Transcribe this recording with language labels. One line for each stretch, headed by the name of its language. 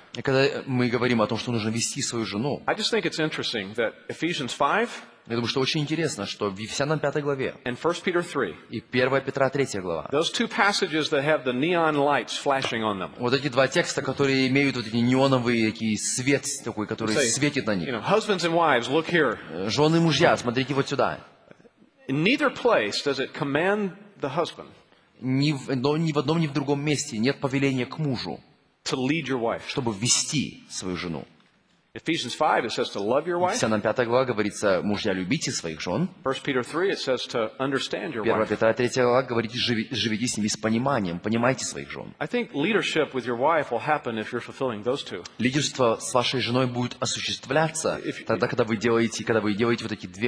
Russian: и когда мы говорим о том, что нужно вести свою жену,
English: I just think it's interesting that Ephesians 5,
Russian: я думаю, что очень интересно, что в Ефесянам 5 главе
English: and 1 Peter 3,
Russian: и 1 Петра 3 глава,
English: those two passages that have the neon lights flashing on them,
Russian: вот эти два текста, которые имеют вот эти неоновые такие свет такой, который
English: say,
Russian: светит на них.
English: You know, husbands and wives, look here.
Russian: Жены и мужья, смотрите вот сюда.
English: In neither place does it command the husband.
Russian: Ни в одном, ни в другом месте нет повеления к мужу,
English: to lead your wife.
Russian: Чтобы вести свою жену.
English: Ephesians 5, it says to love your wife.
Russian: 5 глава говорится, мужья, любите своих жен.
English: 1 Peter 3, it says to understand your wife.
Russian: 1 Петра 3 глава говорит, живите с ними с пониманием, понимайте своих жен.
English: I think leadership with your wife will happen if you're fulfilling those two.
Russian: Лидерство с вашей женой будет осуществляться тогда, когда вы делаете вот эти две.